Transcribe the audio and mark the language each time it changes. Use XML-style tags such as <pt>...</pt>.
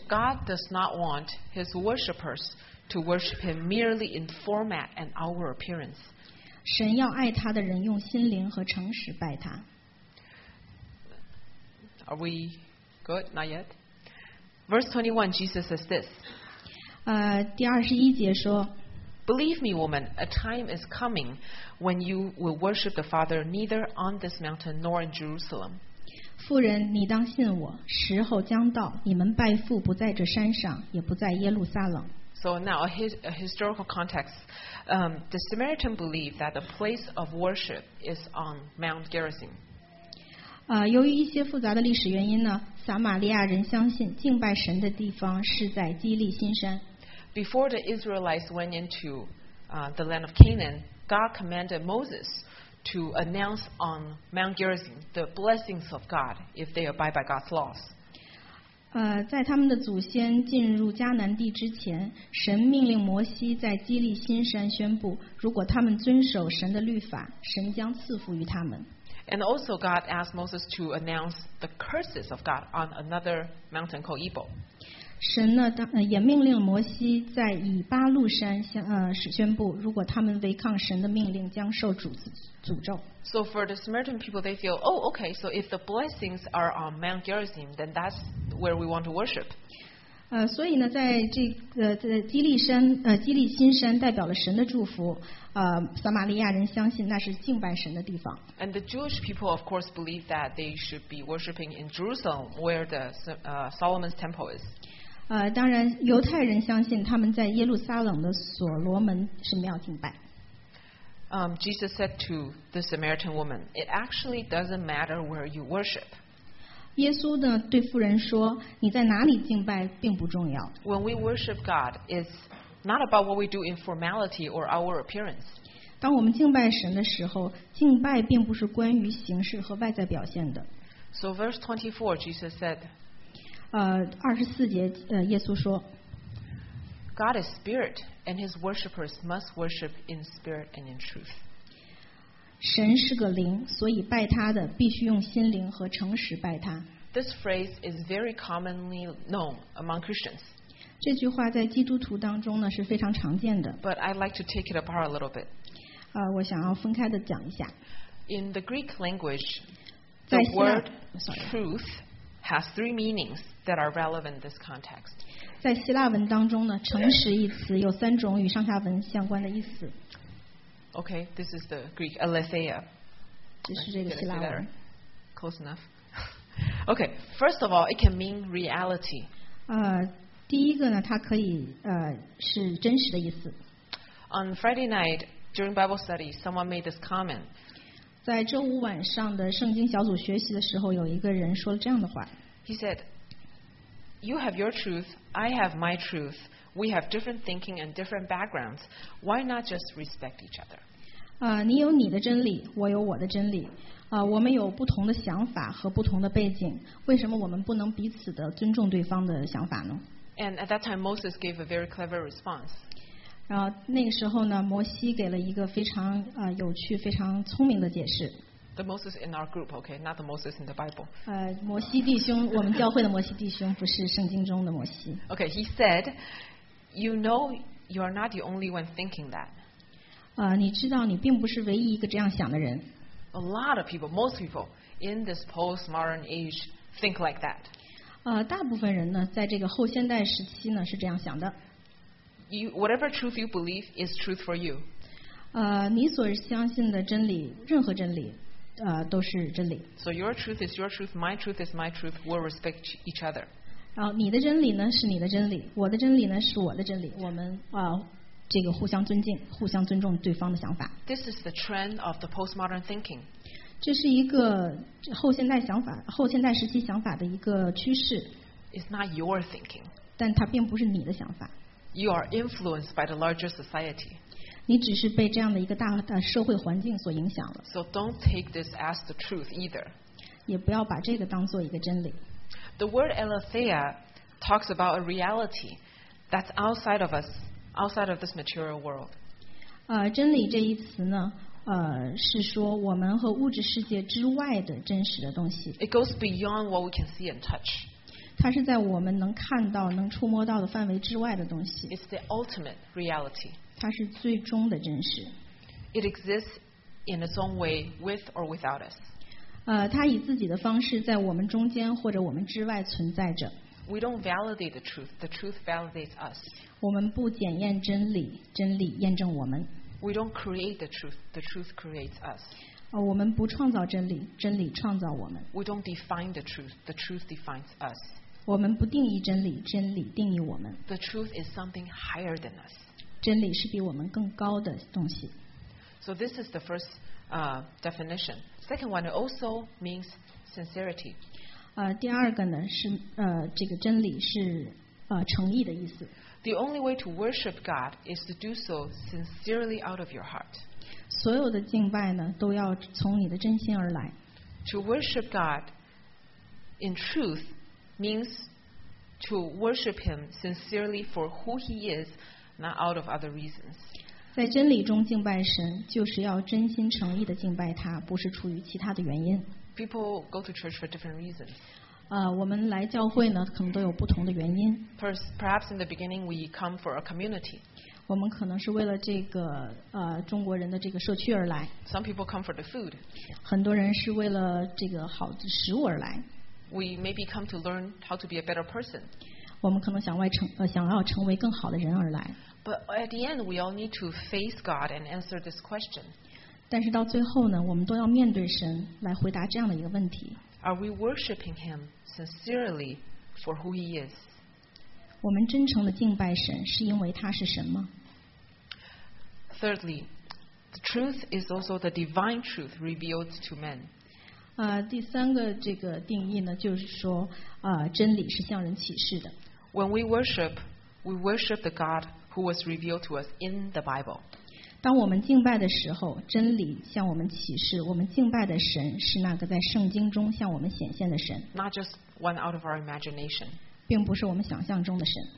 <en>God does not want his worshippers to worship him merely in format and outward appearance.</en> <zh>神要爱他的人用心灵和诚实拜他。</zh> <en>Are we good? Not yet? Verse 21, Jesus says this.</en> <zh>第二十一节说</zh> <en>Believe me, woman, a time is coming when you will worship the Father neither on this mountain nor in Jerusalem.</en> <zh>妇人，你当信我，时候将到，你们拜父不在这山上，也不在耶路撒冷。</zh> <en>So now, a historical context. The Samaritan believed that the place of worship is on Mount Gerizim.</en> <zh>由于一些复杂的历史原因呢，撒玛利亚人相信敬拜神的地方是在基利新山。</zh> <en>Before the Israelites went into the land of Canaan, God commanded Moses to announce on Mount Gerizim the blessings of God if they abide by God's laws.</en> <zh>在他们的祖先进入迦南地之前，神命令摩西在基利新山宣布，如果他们遵守神的律法，神将赐福于他们。</zh> <en>And also God asked Moses to announce the curses of God on another mountain called Ebal.</en> <zh>神呢，也命令摩西在以巴路山宣布，如果他们违抗神的命令，将受诅咒。</zh> <en>So for the Samaritan people, they feel, oh, okay, so if the blessings are on Mount Gerizim, then that's where we want to worship.</en> <zh>所以呢，在这个基利山基利新山代表了神的祝福。撒玛利亚人相信那是敬拜神的地方。</zh> <en>And the Jewish people, of course, believe that they should be worshiping in Jerusalem, where the Solomon's Temple is.</en> <zh>当然，犹太人相信他们在耶路撒冷的所罗门是庙敬拜。</zh> <en>Jesus said to the Samaritan woman, "It actually doesn't matter where you worship."</en> <zh>耶稣呢对妇人说，你在哪里敬拜并不重要。</zh> <en>When we worship God, it's not about what we do in formality or our appearance.</en> <zh>当我们敬拜神的时候，敬拜并不是关于形式和外在表现的。</zh> <en>So verse 24, Jesus said,</en> <zh>24节耶稣说</zh> <en>God is spirit, and his worshippers must worship in spirit and in truth.</en> <zh>神是个灵，所以拜他的必须用心灵和诚实拜他。</zh> <en>This phrase is very commonly known among Christians.</en> <zh>这句话在基督徒当中呢是非常常见的。</zh> <en>But I'd like to take it apart a little bit.</en> <zh>我想要分开的讲一下。</zh> <en>In the Greek language, the word truth has three meanings that are relevant in this context.</en> <zh>在希腊文当中呢，诚实一词有三种与上下文相关的意思。</zh> <en>Okay, this is the Greek aletheia.</en> <zh>这是这个希腊文。</zh> <en>Close enough. Okay, first of all, it can mean reality.</en> <zh>第一个呢，它可以是真实的意思。</zh> <en>On Friday night during Bible study, someone made this comment.</en> <zh>在周五晚上的圣经小组学习的时候，有一个人说了这样的话。</zh> <en>He said, "You have your truth, I have my truth. We have different thinking and different backgrounds. Why not just respect each other?"</en> <zh>你有你的真理，我有我的真理。我们有不同的想法和不同的背景，为什么我们不能彼此的尊重对方的想法呢？</zh> <en>And at that time, Moses gave a very clever response.</en> <zh>然后那个时候呢，摩西给了一个非常有趣、非常聪明的解释。</zh> <en>The Moses in our group, okay, not the Moses in the Bible.</en> <zh>摩西弟兄，我们教会的摩西弟兄，不是圣经中的摩西。</zh> <en>Okay, he said, "You know, you are not the only one thinking that."</en> <zh>你知道你并不是唯一一个这样想的人。</zh> <en>A lot of people, most people in this postmodern age, think like that.</en> <zh>大部分人呢，在这个后现代时期呢，是这样想的。</zh> <en>You, whatever truth you believe is truth for you.</en> <zh>你所相信的真理，任何真理，都是真理。</zh> <en>So your truth is your truth, my truth is my truth. We'll respect each other.</en> <zh>然后你的真理呢，是你的真理；我的真理呢，是我的真理。我们这个互相尊敬，互相尊重对方的想法。</zh> <en>This is the trend of the postmodern thinking.</en> <zh>这是一个后现代想法，后现代时期想法的一个趋势。</zh> <en>It's not your thinking.</en> <zh>但它并不是你的想法。</zh> <en>You are influenced by the larger society.</en> <zh>你只是被这样的一个大的社会环境所影响了。</zh> <en>So don't take this as the truth either.</en> <zh>也不要把这个当做一个真理。</zh> <en>The word aletheia talks about a reality that's outside of us, outside of this material world.</en> <zh>真理这一词呢？是说我们和物质世界之外的真实的东西。</zh> <en>It goes beyond what we can see and touch.</en> <zh>它是在我们能看到、能触摸到的范围之外的东西。</zh> <en>It's the ultimate reality.</en> <zh>它是最终的真实。</zh> <en>It exists in its own way, with or without us.</en> <zh>它以自己的方式在我们中间或者我们之外存在着。</zh> <en>We don't validate the truth. The truth validates us.</en> <zh>我们不检验真理，真理验证我们。</zh> <en>We don't create the truth. The truth creates us.</en> <zh>我们不创造真理，真理创造我们。</zh> <en>We don't define the truth. The truth defines us.</en> <zh>我们不定义真理，真理定义我们。</zh> <en>The truth is something higher than us.</en> <zh>真理是比我们更高的东西。</zh> <en>So this is the first definition. Second one also means sincerity.</en> <zh>第二个呢是这个真理是诚意的意思。</zh> <en>The only way to worship God is to do so sincerely out of your heart.</en> <zh>所有的敬拜呢，都要从你的真心而来。</zh> <en>To worship God in truth means to worship Him sincerely for who He is, not out of other reasons.</en> <zh>在真理中敬拜神，就是要真心诚意地敬拜他，不是出于其他的原因。</zh> <en>People go to church for different reasons.</en> <zh>我们来教会呢，可能都有不同的原因。</zh> <en>Perhaps in the beginning we come for a community.</en> <zh>我们可能是为了这个中国人的这个社区而来。</zh> <en>Some people come for the food.</en> <zh>很多人是为了这个好的食物而来。</zh> <en>We maybe come to learn how to be a better person.</en> <zh>我们可能想要成为更好的人而来。</zh> <en>But at the end we all need to face God and answer this question.</en> <zh>但是到最后呢，我们都要面对神来回答这样的一个问题。</zh> <en>Are we worshiping Him sincerely for who He is?</en> <zh>我们真诚地敬拜神，是因为他是神吗？</zh> <en>Thirdly, the truth is also the divine truth revealed to men.</en> <zh>第三个这个定义呢，就是说，真理是向人启示的。</zh> <en>When we worship the God who was revealed to us in the Bible.</en> <zh>当我们敬拜的时候，真理向我们启示。我们敬拜的神是那个在圣经中向我们显现的神。</zh> <en>Not just one out of our imagination.</en> <zh>并不是我们想象中的神。</zh>